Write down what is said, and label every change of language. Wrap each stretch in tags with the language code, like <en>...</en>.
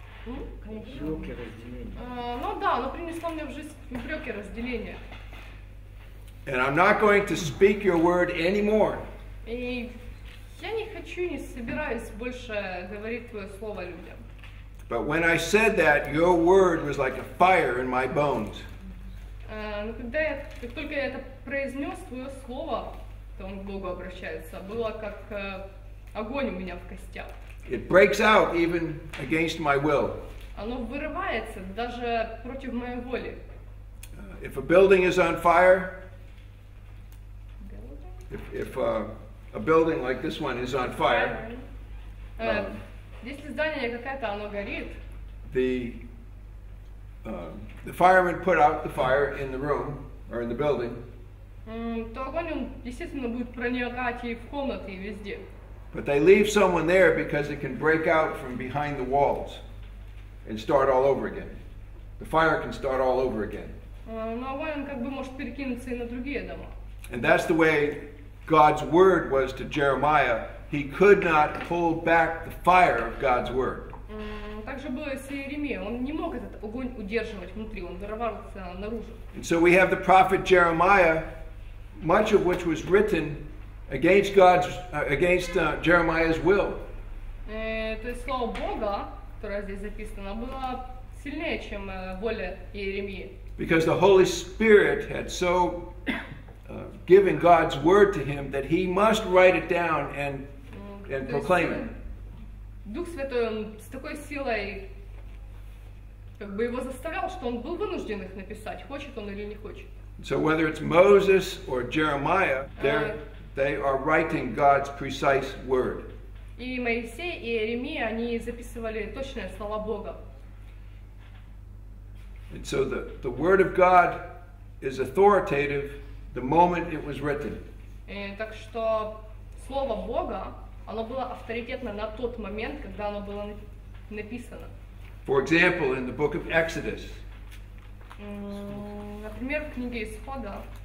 <ru>Оно принесло мне в жизнь упрёки и разделения.</ru> <en>And I'm not going to speak your word anymore.</en> <ru>И я не хочу, не собираюсь больше говорить твое слово людям.</ru> <en>But when I said that, your word was like a fire in my bones.</en> <ru>Как только я это произнес, твое слово, то он к Богу обращается, было как огонь у меня в костях.</ru> <en>It breaks out even against my will.</en> <ru>Оно вырывается даже против моей воли.</ru> <en>If a building is on fire, if a building like this one is on fire,</en> <ru>если здание какое-то, оно горит.</ru> <en>The firemen put out the fire in the room or in the building.</en> <ru>То огонь, он, естественно, будет проникать и в комнаты, и везде.</ru> <en>But they leave someone there because it can break out from behind the walls and start all over again. The fire can start all over again.</en> <ru>Но огонь, он как бы может перекинуться и на другие дома.</ru> <en>And that's the way God's word was to Jeremiah. He could not pull back the fire of God's word.</en> <ru>Также было с Иеремией. Он не мог этот огонь удерживать внутри. Он вырывался наружу.</ru> <en>And so we have the prophet Jeremiah, much of which was written against God's, against Jeremiah's will.</en> <ru>То есть слово Бога, которое здесь записано, было сильнее, чем воля Иеремии.</ru> <en>Because the Holy Spirit had so given God's word to him that he must write it down and proclaim it.</en> <ru>Дух Святой, он с такой силой как бы его заставлял, что он был вынужден их написать, хочет он или не хочет.</ru> <en>So whether it's Moses or Jeremiah, they are writing God's precise word.</en> <ru>И Моисей и Иеремия, они записывали точные слова Бога.</ru> <en>And so the word of God is authoritative the moment it was written.</en> <ru>Так что слово Бога, оно было авторитетно на тот момент, когда оно было написано.</ru> <en>For example, in the book of Exodus.</en> <ru>Например, в книге Исхода.</ru>